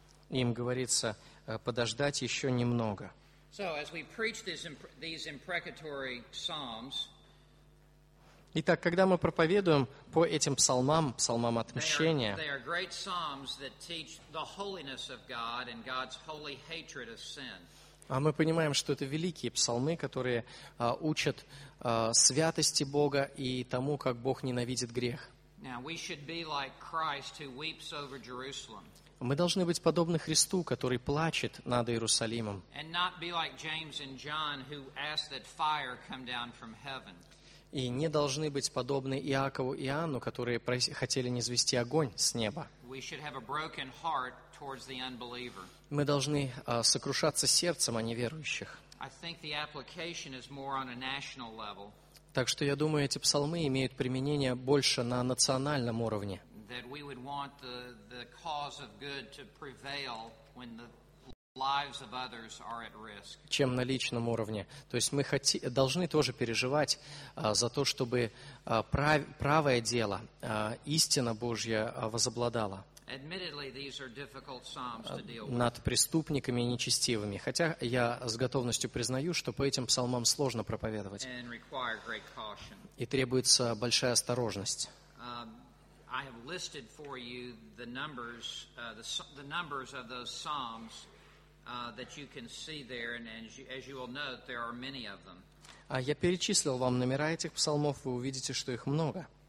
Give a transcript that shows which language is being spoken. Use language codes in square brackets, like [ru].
[ru] Им говорится, подождать еще немного. [en] So as we preach these imprecatory psalms, [ru] итак, когда мы проповедуем по этим псалмам, псалмам отмщения, [en] they are great psalms that teach the holiness of God and God's holy hatred of sin. [ru] А мы понимаем, что это великие псалмы, которые учат святости Бога и тому, как Бог ненавидит грех. [en] Now we should be like Christ who weeps over Jerusalem. [ru] Мы должны быть подобны Христу, который плачет над Иерусалимом. [en] And not be like James and John, who asked that fire come down from heaven. [ru] И не должны быть подобны Иакову и Иоанну, которые хотели низвести огонь с неба. [en] We should have a broken heart towards the unbeliever. [ru] Мы должны сокрушаться сердцем о неверующих. [en] I think the application is more on a national level. [ru] Так что я думаю, эти псалмы имеют применение больше на национальном уровне. [en] that we would want the cause of good to prevail when the lives of others are at risk. [ru] Чем на личном уровне. То есть мы должны тоже переживать за то, чтобы правое дело, истина Божья возобладала. [en] Admittedly, these are difficult psalms to deal with. [ru] Над преступниками и нечестивыми. Хотя я с готовностью признаю, что по этим псалмам сложно проповедовать. [en] And require great caution. [ru] И требуется большая осторожность. [en] I have listed for you the numbers, the numbers of those psalms that you can see there, and as you will note, there are many of them. [ru] Я перечислил вам номера этих псалмов, вы увидите, что их много.